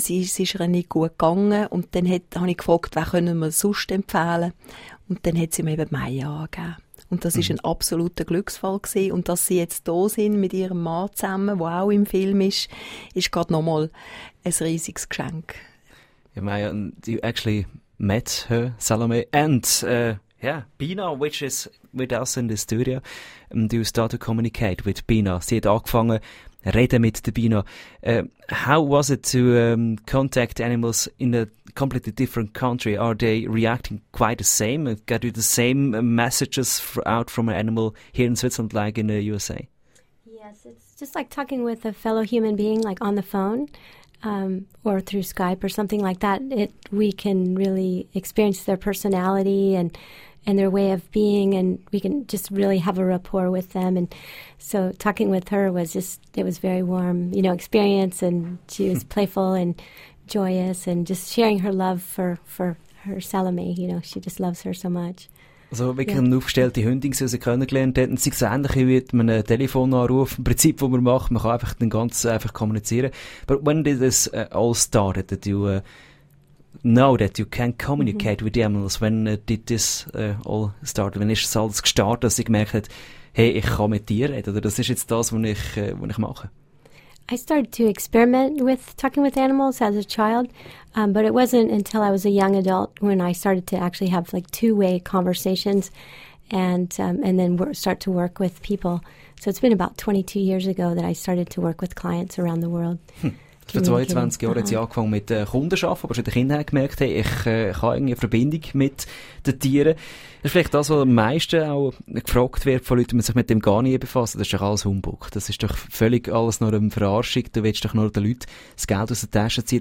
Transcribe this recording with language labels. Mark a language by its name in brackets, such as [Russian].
[German] Sie ist ihr nicht gut gegangen. Und dann habe ich gefragt, wer können wir sonst empfehlen? Und dann hat sie mir eben Maya angegeben. Und das ist ein absoluter Glücksfall gewesen. Und dass sie jetzt da sind mit ihrem Mann zusammen, der auch im Film ist, ist gerade nochmal ein riesiges Geschenk. [English] Ja, Maya, and you actually met her, Salome, and Bina, which is with us in the studio, and you start to communicate with Bina. [German] Sie hat angefangen, reden mit der Bina. [English] How was it to contact animals in a completely different country? Are they reacting quite the same? Got you the same messages out from an animal here in Switzerland like in the USA? Yes, it's just like talking with a fellow human being, like on the phone. Or through Skype or something like that, we can really experience their personality and their way of being, and we can just really have a rapport with them. And so talking with her was just, it was very warm, experience, and she was playful and joyous and just sharing her love for her Salome. She just loves her so much. [German] Also wirklich eine aufgestellte Hündin, die sie kennengelernt hat. Sie sah ähnlich wie mit einem Telefonanruf. Im Prinzip, was man macht, man kann einfach den ganzen einfach kommunizieren. [English] But when did this all started, that you know that you can communicate with the animals? When did this all start? [German] When ist das alles gestartet, dass sie gemerkt hat, hey, ich kann mit dir reden? Oder das ist jetzt das, was ich mache? [English] I started to experiment with talking with animals as a child, but it wasn't until I was a young adult when I started to actually have like two-way conversations and then start to work with people. So it's been about 22 years ago that I started to work with clients around the world. [German] Vor 22 Jahren hat sie angefangen mit Kunden zu arbeiten, aber schon in der Kindheit gemerkt, hey, ich habe irgendwie eine Verbindung mit den Tieren. Das ist vielleicht das, was am meisten auch gefragt wird von Leuten, die man sich mit dem gar nicht befasst. Das ist doch alles Humbug. Das ist doch völlig alles nur eine Verarschung. Du willst doch nur den Leuten das Geld aus der Tasche ziehen.